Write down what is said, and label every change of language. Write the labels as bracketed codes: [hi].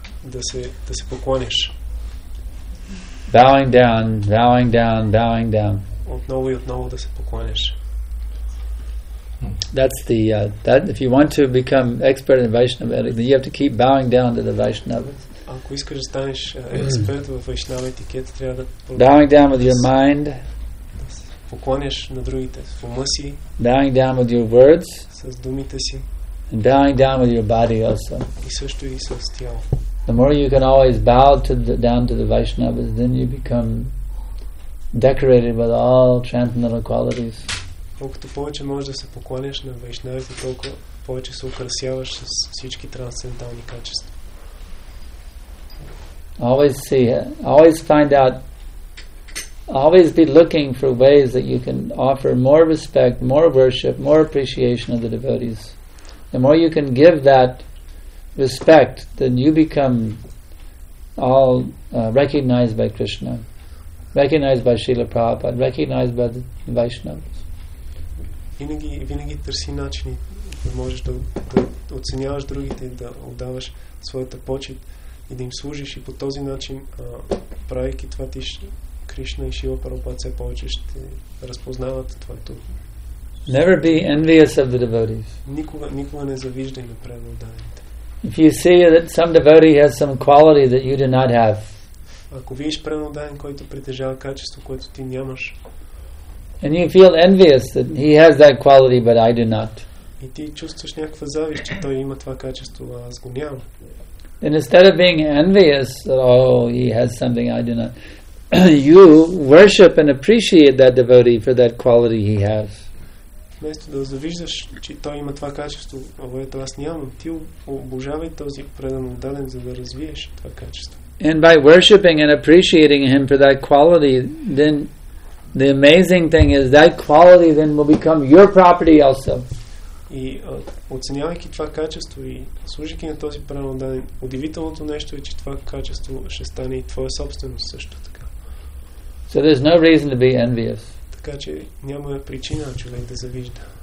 [en] Das pokłonisz. Bowing down, bowing down, bowing down. Odnowu, das pokłonisz. That's the that if you want to become expert in Vaishnava, then you have to keep bowing down to the Vaishnavas. [bg] Ако искаш да станеш експерт в Вайшнава етикет, трябва да [en] bowing down with your mind. [bg] Поклоняш на другите в ума си. [en] Bowing down with your words. [bg] С думите си. [en] And bowing down with your body also. [bg] И също и с тяло. [en] The more you can always bow down to the Vaishnavas, then you become decorated with all transcendental qualities. [bg] Колкото повече можеш да се поклоняш на Вайшнавите, толкова повече се украсяваш с всички трансцендентални качества. [en] Always see it. Always find out. Always be looking for ways that you can offer more respect, more worship, more appreciation of the devotees. The more you can give that respect, then you become all recognized by Krishna, recognized by Srila Prabhupada, recognized by the Vaishnavas. [bg] Винаги търси начини да можеш да оценяваш другите, да отдаваш своята почет. И да им служиш и по този начин, правейки това ти, Кришна и Шива Прабхупада все повече ще разпознават твоето. [en] Never be envious of the devotees. [bg] Никога не завиждай на преподаваните. [en] If you see that some devotee has some quality that you do not have. [bg] Ако видиш преподаван, който притежава качество, което ти нямаш. [en] And you feel envious that he has that quality but I do not. [bg] И ти чувстваш някаква завист, че той има това качество, а аз го нямам. [en] And instead of being envious that he has something I do not, you worship and appreciate that devotee for that quality he has. [bg] Вместо да завиждаш, че той има това качество, а което аз нямам, ти обожавай този предан, за да развиеш това качество. [en] And by worshiping and appreciating him for that quality, then the amazing thing is that quality then will become your property also. [bg] И оценявайки това качество и служайки на този преданен, удивителното нещо е, че това качество ще стане и твоя собственост също така. [en] So there's no reason to be envious. [bg] Така че няма причина човек да завижда.